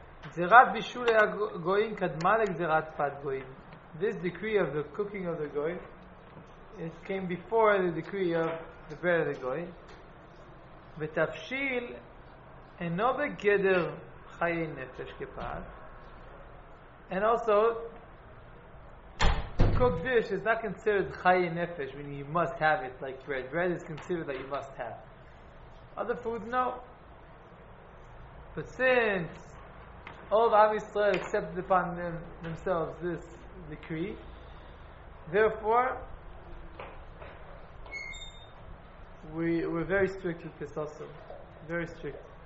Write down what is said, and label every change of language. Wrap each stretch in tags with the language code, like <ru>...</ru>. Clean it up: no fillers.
<he>זירת בישול הגויים קדמה לגזירת פת גויים.</he> <en>This decree of the cooking of the goy, it came before the decree of the bread of the goy.</en> <he>ותבשיל אינו בגדר חיי נפש כפת.</he> <en>And also, the cooked dish is not considered חיי נפש, meaning you must have it like bread. Bread is considered that you must have. Other food, no. But since all of Am Yisrael accepted upon themselves this decree, therefore, we're very strict with this also. Very strict.</en>